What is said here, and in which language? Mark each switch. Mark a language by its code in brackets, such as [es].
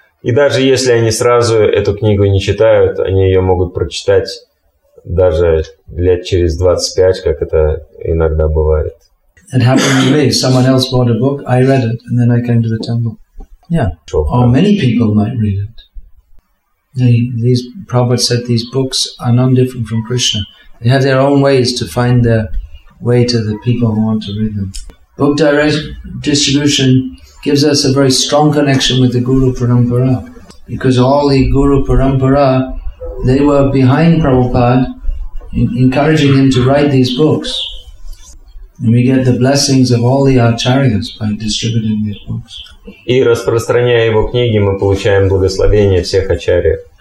[ru] И даже если они сразу эту книгу не читают, они ее могут прочитать даже лет через 25, как это иногда бывает. [en] It happened to me. Someone else bought a book, I read it, and then I came to the temple. Yeah. Or many people might read it. These Prabhupada said these books are none different from Krishna. They have their own ways to find their way to the people who want to read them. Book direct distribution gives us a very strong connection with the Guru Parampara, because all the Guru Parampara, they were behind Prabhupada, encouraging him to write these books. And we get the blessings of all the acharyas by distributing these books. [ru] И распространяя его книги, мы получаем благословение всех ачарьев.